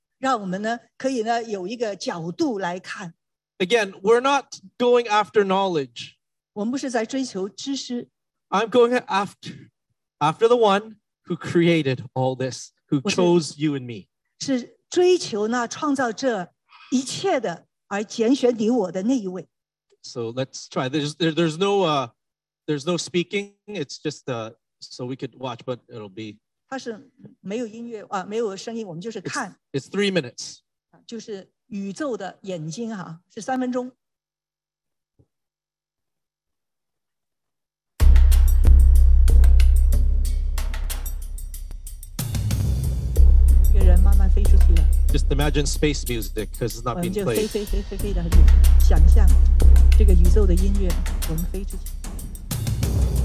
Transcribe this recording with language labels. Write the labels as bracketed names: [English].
[Chinese] 让我们呢可以呢有一个角度来看。 [English] Again, we're not going after knowledge. [Chinese] 我们不是在追求知识。 [English] I'm going after the one who created all this, who chose you and me. [Chinese] 是追求那创造这一切的而拣选你我的那一位。 [English] So let's try. There's no speaking. It's just so we could watch, but it'll be. [Chinese] 它是没有音乐，没有声音，我们就是看。 [English] It's 3 minutes. [Chinese] 就是宇宙的眼睛，是3分钟。一个人慢慢飞出去了。 [English] Just imagine space music, because it's not being played. [Chinese] 就飞飞飞飞飞的很想象。这个宇宙的音乐，我们飞出去。